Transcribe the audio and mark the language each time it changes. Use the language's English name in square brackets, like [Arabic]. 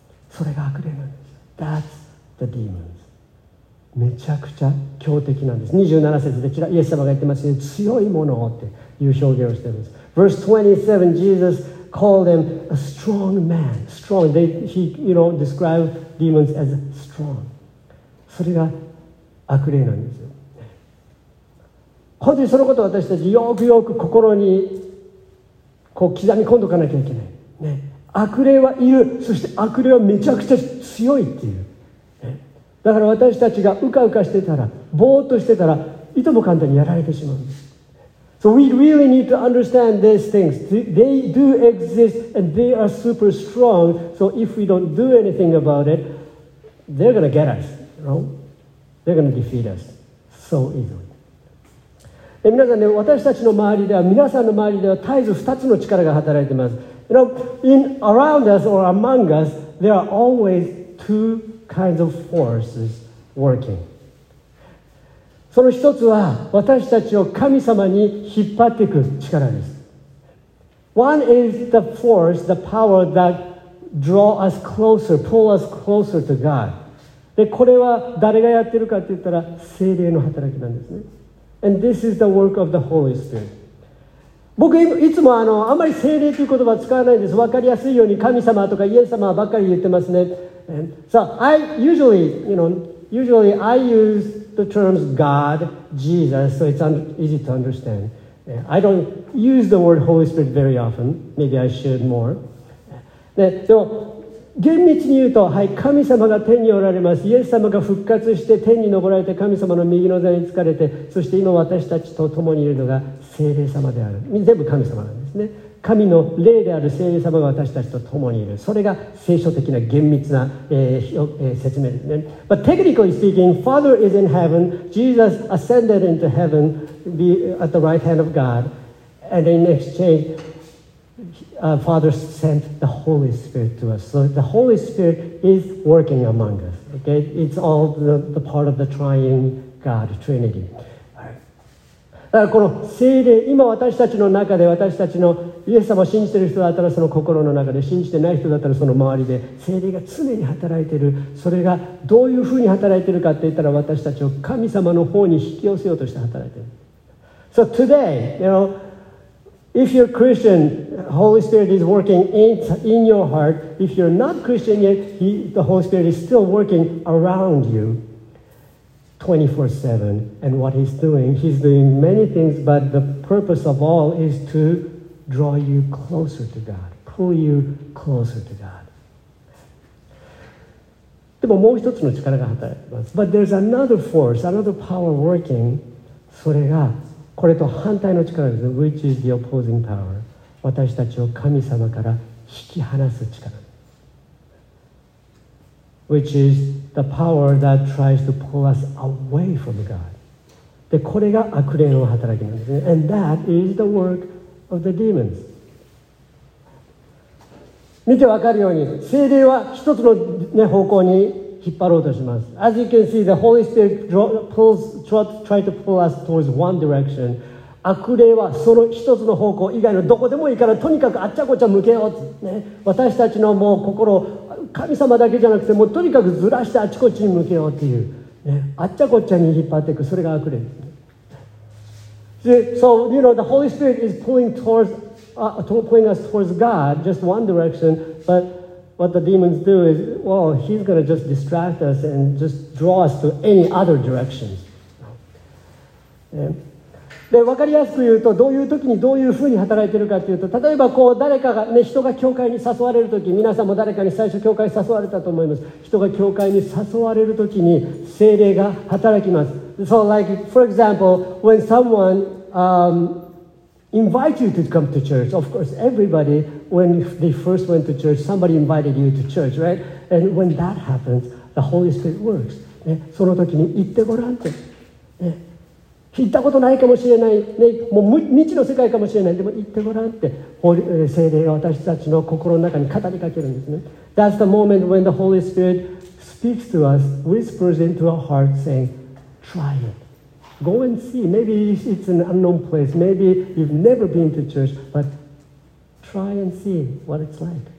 [Japanese] それが悪霊なんです。 [English] That's the demons. [Japanese] めちゃくちゃ強敵なんです。27節でイエス様が言ってますね。強いものっていう表現をしてるんです。 [English] Verse 27, Jesus called them a strong man. Strong. Described demons as strong. [Japanese] それが悪霊なんですよ。本当にそのことを私たちよくよく心にこう刻み込んどかなきゃいけない、ね、悪霊はいる、そして悪霊はめちゃくちゃ強いっていう、ね、だから私たちがうかうかしてたらぼーっとしてたらいとも簡単にやられてしまうんです。 [English] So we really need to understand these things. They do exist and they are super strong. So if we don't do anything about it, they're gonna get us, you know? They're gonna defeat us so easily. [Japanese] 皆さんね、私たちの周りでは、皆さんの周りでは絶えず2つの力が働いています。 [English] You know, in around us or among us, there are always two kinds of forces working. [Japanese] その一つは、私たちを神様に引っ張っていく力です。 [English] One is the force, the power that draw us closer, pull us closer to God. [Japanese] で、これは誰がやってるかって言ったら、聖霊の働きなんですね。 [English] And this is the work of the Holy Spirit. [Japanese] 僕いつも あまり聖霊という言葉を使わないんです。分かりやすいように神様とかイエス様ばっかり言ってますね。 [English] So I usually, you know, usually I use the terms God, Jesus, so it's easy to understand. I don't use the word Holy Spirit very often. Maybe I should more. [Japanese] で、でも厳密に言うと、はい、神様が天におられます。イエス様が復活して天に昇られて神様の右の座につかれて、そして今私たちと共にいるのが聖霊様である。全部神様なんですね。神の霊である聖霊様が私たちと共にいる。それが聖書的な厳密な、説明ですね。 [English] But technically speaking, Father is in heaven. Jesus ascended into heaven at the right hand of God. And in exchangeFather sent the Holy Spirit to us. So the Holy Spirit is working among us. Okay? It's all the part of the triune God, Trinity. [Japanese] だからこの聖霊、今私たちの中で、私たちのイエス様を信じている人だったらその心の中で、信じてない人だったらその周りで、聖霊が常に働いている。それがどういうふうに働いているかって言ったら、私たちを神様の方に引き寄せようとして働いている。 [English] So today, you know,If you're Christian, Holy Spirit is working in your heart. If you're not Christian yet, the Holy Spirit is still working around you 24/7. And what he's doing many things, but the purpose of all is to draw you closer to God, pull you closer to God. [Japanese] でももう一つの力が働いています。 [English] But there's another force, another power working, [Japanese] それがこれと反対の力です。 [English] Which is the opposing power. [Japanese] 私たちを神様から引き離す力。 [English] Which is the power that tries to pull us away from God. [Japanese] で、これが悪霊の働きなんですね。 [English] And that is the work of the demons. [Japanese] 見てわかるように聖霊は一つの、ね、方向に引っ張ろうとします。 [English] As you can see, the Holy Spirit pulls, try to pull us towards one direction. [Japanese] 悪霊はその一つの方向以外のどこでもいいからとにかくあっちゃこっちゃ向けようっつ、ね、私たちのもう心神様だけじゃなくてもうとにかくずらしてあっちこっちに向けようっていう、ね、あっちゃこっちゃに引っ張っていく、それが悪霊。 [English] So you know, the Holy Spirit is pulling towards pulling us towards God, just one direction, but what the demons do is, well, he's going to just distract us and just draw us to any other direction. [Japanese] で、分かりやすく言うと、どういう時にどういうふうに働いているかというと、例えばこう誰かが、ね、人が教会に誘われる時、皆さんも誰かに最初教会に誘われたと思います。人が教会に誘われる時に聖霊が働きます。 [English] So like, for example, when someone invite you to come to church. Of course, everybody, when they first went to church, somebody invited you to church, right? And when that happens, the Holy Spirit works. [Japanese] ね、その時に行ってごらんって、ね。行ったことないかもしれない、ね、もう未知の世界かもしれない。でも行ってごらんって、聖霊が私たちの心の中に語りかけるんですね。 [English] That's the moment when the Holy Spirit speaks to us, whispers into our heart saying, try it. Go and see. Maybe it's an unknown place. Maybe you've never been to church, but try and see what it's like.